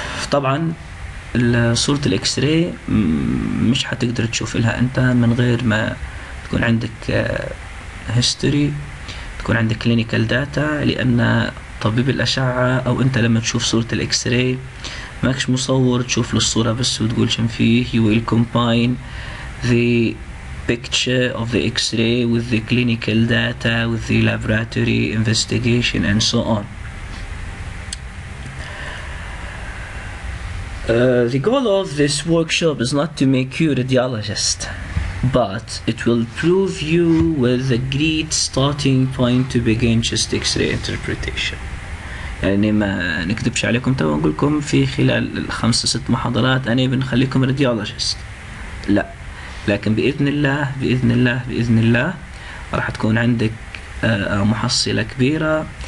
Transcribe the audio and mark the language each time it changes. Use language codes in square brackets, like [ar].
[ar] طبعا صورة الإكس-راي مش حتقدر تشوف لها أنت من غير ما تكون عندك هيستوري، تكون عندك كلينيكال داتا، لأن طبيب الأشعة أو أنت لما تشوف صورة الإكس-راي ماكش مصور تشوف للصورة بس وتقول شن فيه. [en] You will combine the picture of the X-ray with the clinical data with the laboratory investigation and so on. The goal of this workshop is not to make you a radiologist, but it will prove you with a great starting point to begin chest X-ray interpretation. [ar] يعني ما نكذبش عليكم تو نقول لكم في خلال 5 6 محاضرات أنا بنخليكم راديولوجيست، لا، لكن بإذن الله بإذن الله بإذن الله راح تكون عندك محصلة كبيرة.